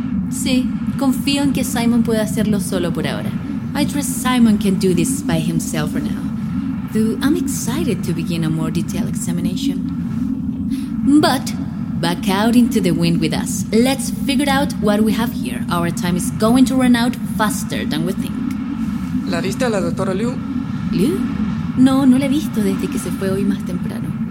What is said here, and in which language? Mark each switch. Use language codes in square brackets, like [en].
[es] Sí, confío en que Simon pueda hacerlo solo por ahora. [en] I trust Simon can do this by himself for now, though I'm excited to begin a more detailed examination. But back out into the wind with us. Let's figure out what we have here. Our time is going to run out faster than we think. [es] ¿La viste a la doctora Liu? Liu? No, no la he visto desde que se fue hoy más temprano.